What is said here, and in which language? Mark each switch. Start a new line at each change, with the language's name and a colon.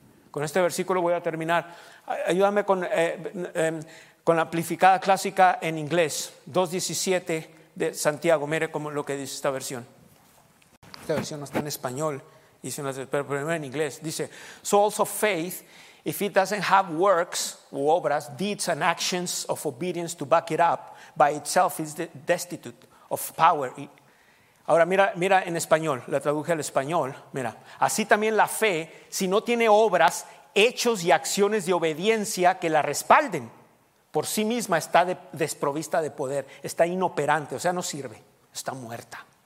Spanish: Con este versículo voy a terminar. Ayúdame con la amplificada clásica en inglés, 2:17 de Santiago. Mire cómo lo que dice esta versión. Esta versión no está en español, pero primero en inglés. Dice:
English: "So also faith, if it doesn't have works
Spanish: u obras,
English: deeds and actions of obedience to back it up, by itself is destitute of power."
Spanish: Ahora mira en español, la traduje al español, mira. Así también la fe, si no tiene obras, hechos y acciones de obediencia que la respalden, por sí misma está desprovista de poder, está inoperante, o sea, no sirve, está muerta.